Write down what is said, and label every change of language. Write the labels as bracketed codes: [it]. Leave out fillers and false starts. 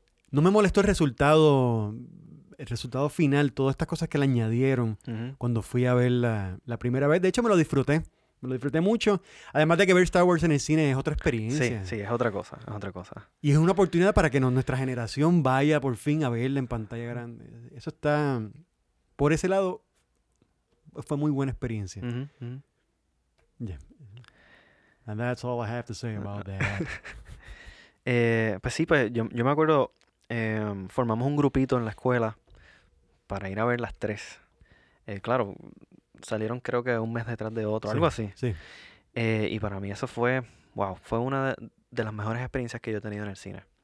[es] No me molestó el resultado final, todas estas cosas que le añadieron cuando fui a ver la primera vez. De hecho, me lo disfruté. Me lo disfruté mucho. Además de que ver Star Wars en el cine es otra Sí, experiencia. es otra cosa, es otra cosa. Y es una oportunidad para que nuestra generación vaya por fin a verla en pantalla grande. Eso está. Por ese lado, fue muy buena experiencia. [en] Yeah. And that's all I have to say about that. [es] pues sí, pues yo me acuerdo, formamos un grupito en la escuela para ir a ver las tres. Claro, salieron creo que un mes detrás de otro, algo Sí, así. sí. Y para mí eso fue, wow, fue una de las mejores experiencias que yo he tenido en el cine.